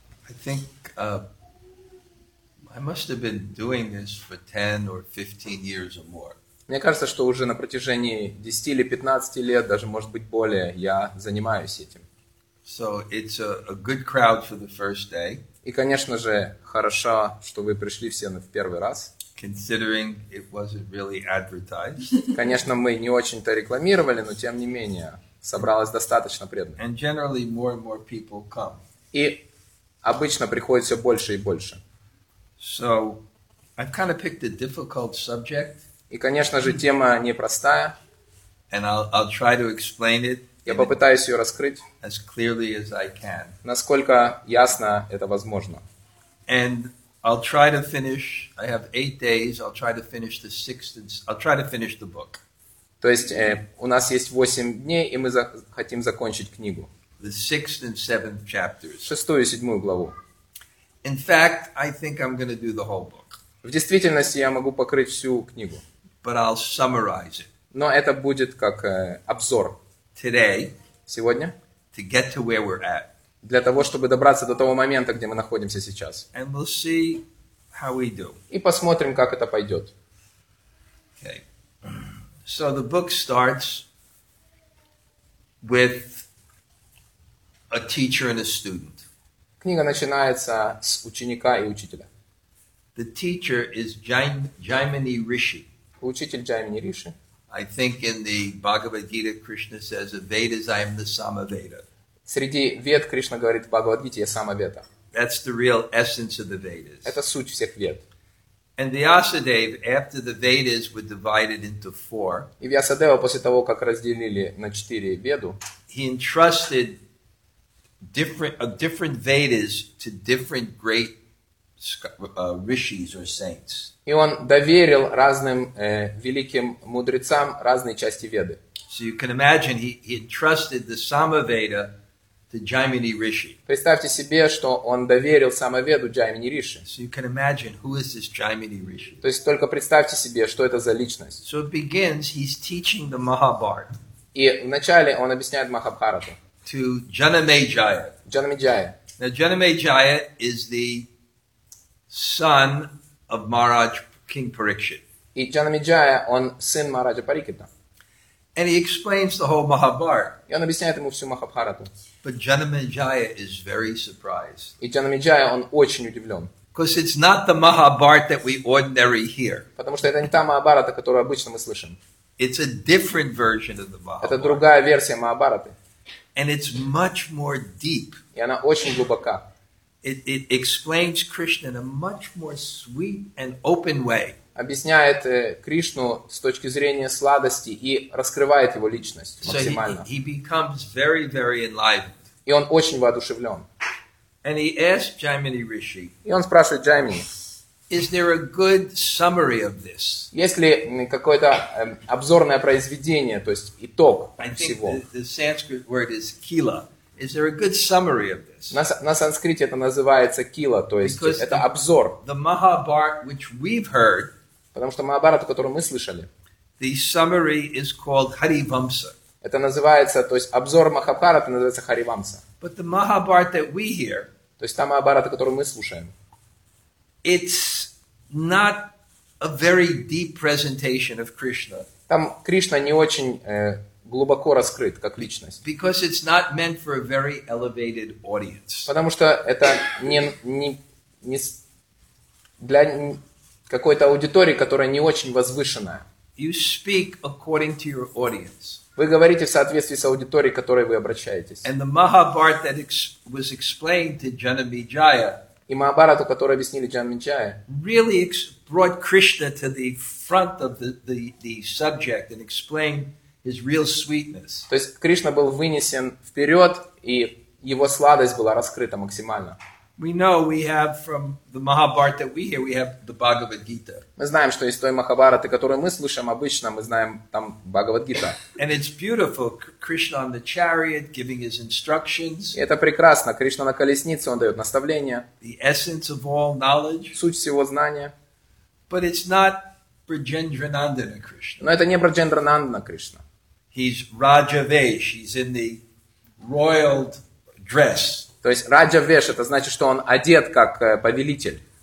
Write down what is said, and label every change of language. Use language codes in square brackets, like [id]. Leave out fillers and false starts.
[en] I think I must have been doing this for 10 or 15 years or more. [ru] Мне кажется, что уже на протяжении 10 или 15 лет, даже может быть более, я занимаюсь этим. [en] So it's a good crowd for the first day. [ru] И, конечно же, хорошо, что вы пришли все в первый раз. [en] Considering it wasn't really advertised. [ru] Конечно, мы не очень-то рекламировали, но тем не менее, собралось достаточно преданных. [en] And generally more and more people come. [ru] И обычно приходит все больше и больше. [en] So I've kind of picked a difficult subject. [ru] И, конечно же, тема непростая. [en] And I'll try to explain it. [ru] Я попытаюсь ее раскрыть. [en] As clearly as I can. [ru] Насколько ясно это возможно. [en] And I'll try to finish. I have 8 days. I'll try to finish the 6th. I'll try to finish the book. [ru] То есть у нас есть 8 дней, и мы хотим закончить книгу. [en] The 6th and 7th chapters. [ru] Шестую и седьмую главу. [en] In fact, I think I'm going to do the whole book. [ru] В действительности я могу покрыть всю книгу. [en] But I'll summarize it. [ru] Но это будет как обзор. [en] Today. [ru] Сегодня. [en] To get to where we're at. [ru] Для того, чтобы добраться до того момента, где мы находимся сейчас. [en] And we'll see how we do. [ru] И посмотрим, как это пойдет. [en] Okay. So the book starts with a teacher and a student. [ru] Книга начинается с ученика и учителя. [en] The teacher is Jaimini Rishi. [ru] Учитель Jaimini Rishi. [en] I think in the Bhagavad Gita, Krishna says, "Vedas, I am the Samaveda." [ru] Среди Вед Кришна говорит в Бхагавадгите, я Самаведа. [en] That's the real essence of the Vedas. [ru] Это суть всех Вед. [en] And Vyasadeva, after the Vedas were divided into four. [ru] И Вьясадева после того, как разделили на четыре Веду. [en] He entrusted different Vedas to different great rishis or saints. [ru] И он доверил разным великим мудрецам разные части Веды. [en] So you can imagine he entrusted the Samaveda to Jaimini Rishi. [ru] Представьте себе, что он доверил Самаведу Jaimini Rishi. [en] So you can imagine who is this Jaimini Rishi. [ru] То есть только представьте себе, что это за личность. [en] So it begins, he's teaching the Mahabharat. [ru] И вначале он объясняет Махабхарату. [en] To Janamejaya. [ru] Janamejaya. [en] Now Janamejaya is the son of Maharaj King Parikshit. [ru] И Джанамеджая, он сын Махараджа Парикшита. [en] And he explains the whole Mahabharat. [ru] И он объясняет ему всю Махабхарату. [en] But Джанамеджая is very surprised. [ru] И Джанамеджая, он очень удивлен. [en] Because it's not the Mahabharat that we ordinary hear. [ru] Потому что это не та Махабхарата, которую обычно мы слышим. [en] It's a different version of the Mahabharat. [ru] Это другая версия Махабхараты. [en] And it's much more deep. [ru] И она очень глубока. [en] It explains Krishna in a much more sweet and open way. [ru] Объясняет Кришну с точки зрения сладости и раскрывает его личность максимально. [en] So he becomes very, very enlightened. [ru] И он очень воодушевлен. [en] And he asks Jaimini Rishi. [ru] И он спрашивает Jaimini. [en] Is there a good summary of this? [ru] Есть ли какое-то обзорное произведение, то есть итог всего? [en] The Sanskrit word is kila. Is there a good summary of this? [ru] На санскрите это называется кила, то есть [en] Because [ru] это обзор. [en] The Mahabharat which we've heard, [ru] потому что Махабхарату, которую мы слышали, [en] the summary is called Харивамса. [ru] Это называется, то есть обзор Махабхараты называется Харивамса. [en] But the Mahabharat that we hear, [ru] то есть та Махабхарата, которую мы слушаем, [en] it's not a very deep presentation of Krishna. [ru] Там Кришна не очень глубоко раскрыт как личность. [en] Because it's not meant for a very elevated audience. [ru] Потому что это не для какой-то аудитории, которая не очень возвышенная. [en] You speak according to your audience. [ru] Вы говорите в соответствии с аудиторией, к которой вы обращаетесь. [en] And the Mahabharat that was explained to Janamejaya. [ru] И Махабхарату, которую объяснили Джанамеджая, [en] really brought Krishna to the front of the subject and explained His real sweetness. [ru] То есть Кришна был вынесен вперед, и его сладость была раскрыта максимально. [en] We know we have from the Mahabharata that we hear, we have the Bhagavad Gita. [ru] Мы знаем, что из той Махабхараты, которую мы слушаем обычно, мы знаем там Бхагавад Гита. [en] And it's beautiful, Krishna on the chariot giving his instructions. [ru] Это прекрасно, Кришна на колеснице, он дает наставления. [en] The essence of all knowledge. [ru] Суть всего знания. [en] But it's not Brajendranandana Krishna. [ru] Но это не Брджендранандана Кришна. [en] He's Raja Vesh, he's in the royal dress. [ru] То есть Раджа Веш, это значит, что он одет как повелитель.